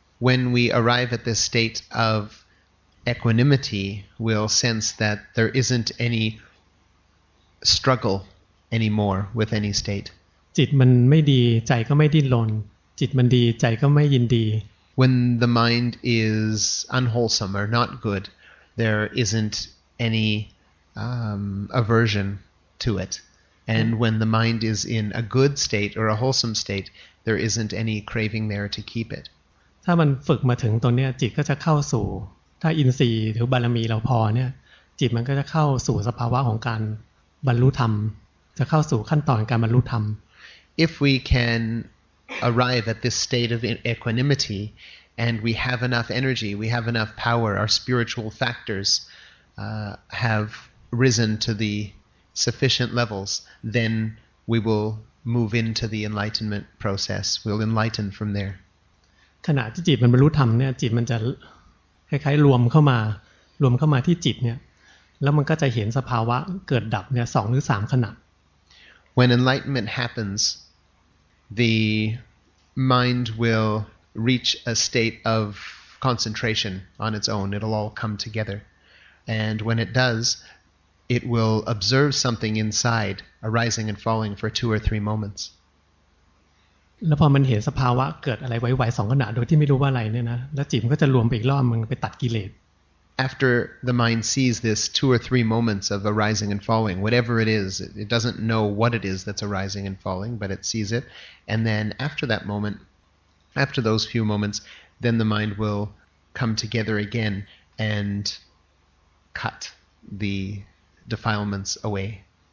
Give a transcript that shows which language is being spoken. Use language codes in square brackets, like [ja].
[en] when we arrive at this state of equanimity we'll sense that there isn't any struggle anymore with any state [th] จิตมันไม่ดีใจก็ไม่ดิ้นรนจิตมันดีใจก็ไม่ยินดี [en] when the mind is unwholesome or not goodThere isn't any aversion to it, and when the mind is in a good state or a wholesome state, there isn't any craving there to keep it. [th] ถ้ามันฝึกมาถึงตรงนี้จิตก็จะเข้าสู่ถ้าอินทรีย์หรือบารมีเราพอเนี่ยจิตมันก็จะเข้าสู่สภาวะของการบรรลุธรรมจะเข้าสู่ขั้นตอนการบรรลุธรรม [en] If we can arrive at this state of equanimity. And we have enough energy, we have enough power, our spiritual factors have risen to the sufficient levels, then we will move into the enlightenment process. We'll enlighten from there. [th] ขณะที่จิตมันบรรลุธรรมเนี่ยจิตมันจะคล้ายๆรวมเข้ามาที่จิตเนี่ยแล้วมันก็จะเห็นสภาวะเกิดดับเนี่ย2หรือ3ขณะ [en] When enlightenment happens, the mind willreach a state of concentration on its own it'll all come together and when it does it will observe something inside arising and falling for 2 or 3 moments [th] แล้วพอมันเห็นสภาวะเกิดอะไรไวๆ2ขณะโดยที่ไม่รู้ว่าอะไรเนี่ยนะแล้วจิตมันก็จะรวมไปอีกรอบมันไปตัดกิเลส [en] After the mind sees this 2 or 3 moments of arising and falling whatever it is it doesn't know what it is that's arising and falling but it sees it and then after that momentAfter those few moments, then the mind will come together again and cut the defilements away.